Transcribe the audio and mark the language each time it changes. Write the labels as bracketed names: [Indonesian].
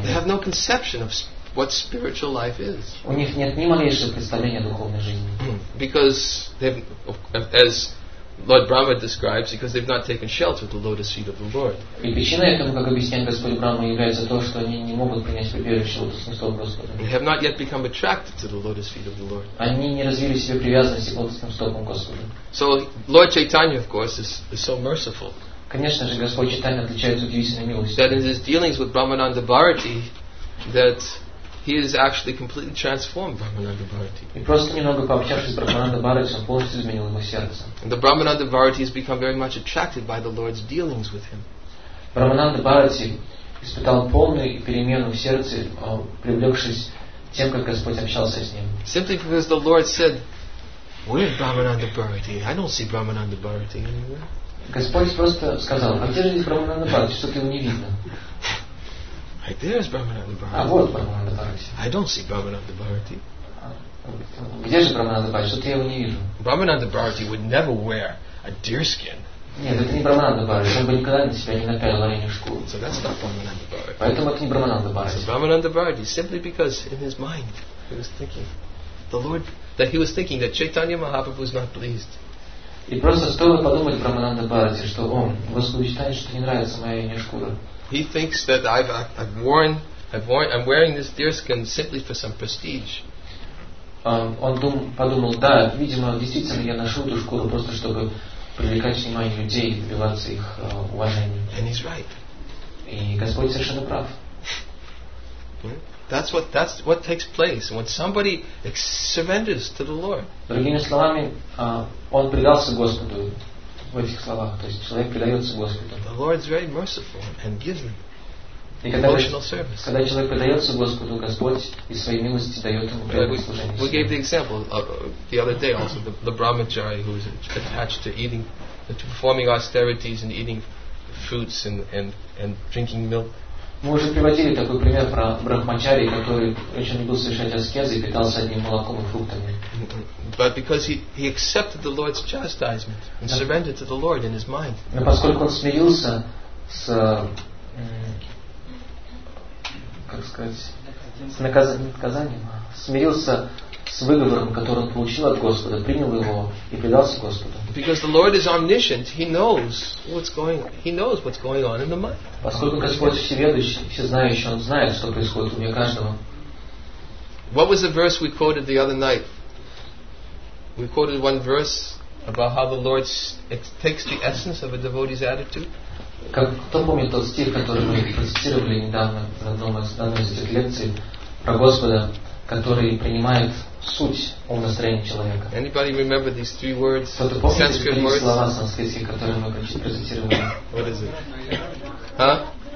[English] They have no conception of what spiritual life is. [Russian] У них нет ни малейшего представления о духовной жизни. [English] Because as Lord Brahma describes, because they've not taken shelter at the lotus feet of the Lord. [Russian] И причина этому, как объясняет Господь Брахма, является то, что они не могут принять прибежище у лотосных стоп Господа. [English] They have not yet become attracted to the lotus feet of the Lord. [Russian] Они не развили себе привязанности к лотосным стопам Господа. [English] So Lord Chaitanya, of course, is so merciful. [Russian] Конечно же, Господь Чайтанья отличается удивительной милостью. [English] That in his dealings with Brahmananda Bharati, that he is actually completely transformed Brahmananda Bharati. [Russian] И просто немного пообщавшись с Брахмананда Бхарати, он полностью изменил его сердце. [English] And the Brahmananda Bharati has become very much attracted by the Lord's dealings with him. [Russian] Брахмананда Бхарати испытал полную перемену в сердце, привлекшись тем, как Господь общался с ним. [English] Simply because the Lord said, "Where is Brahmananda Bharati? I don't see Brahmananda Bharati anywhere." [Russian] Господь просто сказал: "А где же здесь Брахмананда Бхарати? Что-то его не видно." [English] Right there is Brahmananda Bharati. [Russian] А вот Брахмананда Бхарати. [English] I don't see Brahmananda Bharati. [Russian] Где же Брахмананда Бхарати? Что-то я его не вижу. [English] Brahmananda Bharati would never wear a deer skin. [Russian] Нет, это не Брахмананда Бхарати. Он бы никогда на себя не напялил оленью шкуру. [English] So that's not Brahmananda Bharati. [Russian] Поэтому это не Брахмананда Бхарати. [English] So Brahmananda Bharati, simply because in his mind he was thinking the Lord, that he was thinking that Chaitanya Mahaprabhu was not pleased. [Russian] И просто стоило подумать Брахмананда Бхарати, что он, Господь считает, что не нравится моя оленья шкура. [English] He thinks that I've worn, I'm wearing this deerskin simply for some prestige. [Russian] Подумал, да, видимо, действительно я ношу эту шкуру просто чтобы привлекать внимание людей, добиваться их уважения. [English] And he's right. [Russian] И Господь совершенно прав. [English] That's what takes place when somebody surrenders to the Lord. [Russian] Другими словами, он предался Господу. В этих словах, то есть человек предается Господу. [English] The Lord is very merciful and gives him emotional service. [Russian] Когда человек предается Господу, Господь из своей милости дает ему преданное служение. [English] We gave the example the other day also the brahmachari who is attached to eating, to performing austerities and eating fruits and drinking milk. [Russian] Мы уже приводили такой пример про брахмачари, который очень любил совершать аскезы и питался одним молоком и фруктами. [English] But because he accepted the Lord's chastisement and surrendered to the Lord in his mind. [Russian] Но поскольку он смирился с, как сказать, с наказанием, смирился с выговором, который он получил от Господа, принял его и предался Господу. [English] Because the Lord is omniscient, he knows what's going on in the mind. [Russian] Поскольку Господь всеведущий, всезнающий, он знает, что происходит у него каждого. [English] What was the verse we quoted the other night? We quoted one verse about how the Lord takes the essence of a devotee's attitude. [Russian] Как кто помнит тот стих, который мы процитировали недавно на одной из этих лекций? про Господа, который принимает суть ум настроения человека. [English] Anybody remember these three words? [Russian] Кто-то помнит эти три слова санскритские, которые мы как-то презентировали? [English] What is it? Ха?